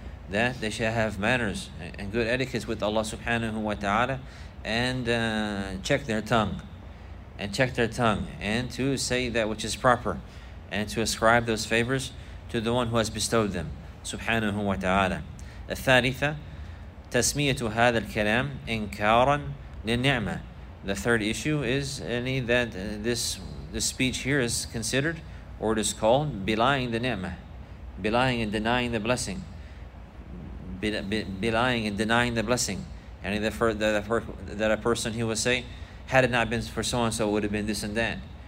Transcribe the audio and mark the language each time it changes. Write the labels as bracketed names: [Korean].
[English] That they shall have manners and good etiquette with Allah subhanahu wa ta'ala, and check their tongue, and to say that which is proper, and to ascribe those favors to the one who has bestowed them, subhanahu wa ta'ala. [Arabic] الثالثة تسمية هذا الكلام إنكارا للنعمة. [English] The third issue is any that this speech here is considered, or it is called, belying the ni'mah, belying and denying the blessing, belying and denying the blessing. And that a person, he will say, had it not been for so and so, it would have been this and that.